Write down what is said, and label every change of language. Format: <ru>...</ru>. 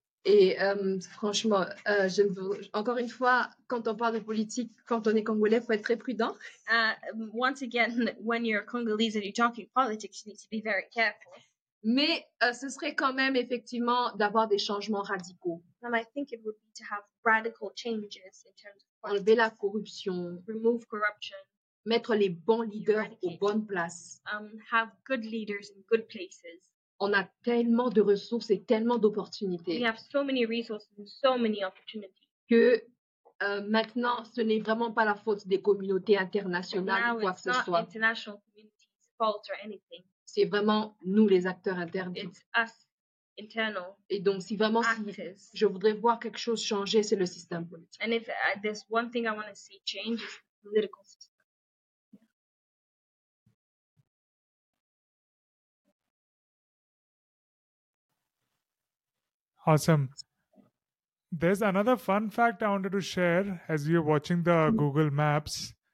<fr>Et franchement, encore une fois, quand on parle de politique, quand on est Congolais, il faut être très prudent.</fr> <en>Once again, when you're Congolese and you're talking politics, you need to be very careful.</en> <fr>Mais ce serait quand même effectivement d'avoir des changements radicaux.</fr> <en>And I think it would be to have radical changes in terms of politics.</en> <fr>Enlever la corruption.</fr> <en>Remove corruption.</en> <fr>Mettre les bons leaders aux bonnes places.</fr> <en>Have good leaders in good places.</en> <fr>On a tellement de ressources et tellement d'opportunités.</fr> <en>We have so many resources and so many opportunities.</en> <fr>Que maintenant, ce n'est vraiment pas la faute des communautés internationales ou quoi que ce soit.</fr> <en>It's not international community's fault or anything.</en> <fr>C'est vraiment nous les acteurs internes.</fr> <en>It's us internal.</en> <fr>Et donc, si vraiment je voudrais voir quelque chose changer, c'est le système politique.</fr> <en>And if there's one thing I want to see change, it's the political system. Awesome. There's another fun fact I wanted to share as you're watching the Google Maps.</en>